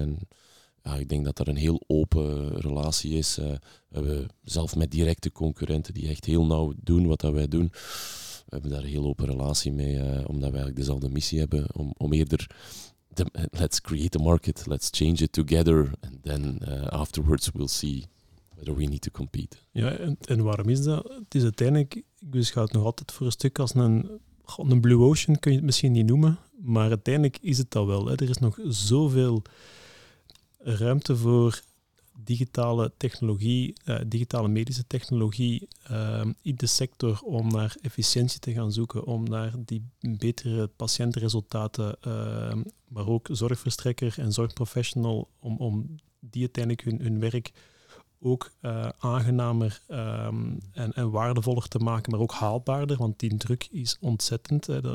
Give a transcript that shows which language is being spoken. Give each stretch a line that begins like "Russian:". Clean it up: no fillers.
Dutch: En ja, ik denk dat er een heel open relatie is. We hebben zelf met directe concurrenten die echt heel nauw doen wat wij doen. We hebben daar een heel open relatie mee, omdat we eigenlijk dezelfde missie hebben om eerder...
English: let's create a market, let's change it together, and then afterwards we'll see whether we need to compete.
Dutch: Ja, en waarom is dat? Het is uiteindelijk, ik beschouw het nog altijd voor een stuk als een blue ocean, kun je het misschien niet noemen, maar uiteindelijk is het dat wel. Hè. Er is nog zoveel ruimte voor digitale technologie, digitale medische technologie in de sector om naar efficiëntie te gaan zoeken, om naar die betere patiëntenresultaten, maar ook zorgverstrekker en zorgprofessional, om die uiteindelijk hun werk ook aangenamer en waardevoller te maken, maar ook haalbaarder, want die druk is ontzettend.